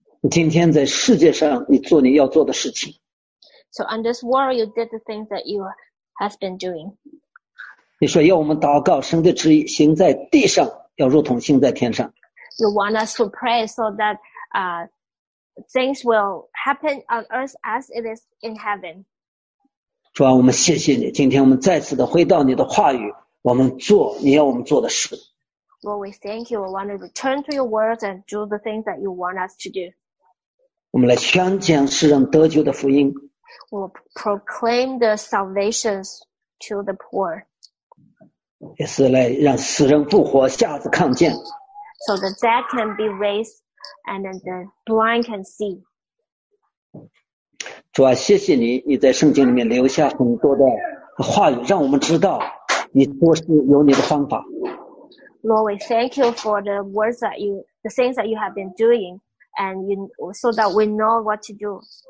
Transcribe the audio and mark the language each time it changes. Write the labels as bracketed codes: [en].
[zh] 今天在世界上你做你要做的事情。 [en] So on this world you did the things that you have been doing. [zh] 你说要我们祷告神的旨意行在地上要如同行在天上。 [en] You want us to pray so that things will happen on earth as it is in heaven. [zh] 主啊，我们谢谢你。今天我们再次的回到你的话语，我们做你要我们做的事。 [en] Lord, we thank you. We want to return to your words and do the things that you want us to do. [zh] 我们来宣讲世人得救的福音。 [en] We'll proclaim the salvation to the poor. [zh] 也是来让死人复活，瞎子看见。 [en] So the dead can be raised and the blind can see. [zh] 主啊，谢谢你，你在圣经里面留下很多的话语，让我们知道你做事有你的方法。 [en] Lord, we thank you for the words that you, the things that you have been doing, and so that we know what to do.